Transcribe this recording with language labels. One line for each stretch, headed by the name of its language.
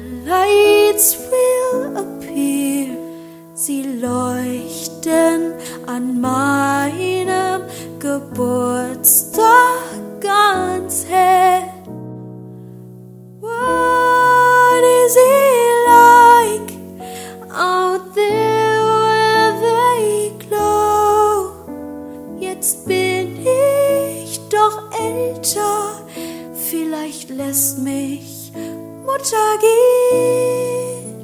English: Lights will appear,
German: sie leuchten an meinem Geburtstag ganz hell.
English: What is he like out there where they glow?
German: Jetzt bin ich doch älter, vielleicht lässt mich Mutter geht.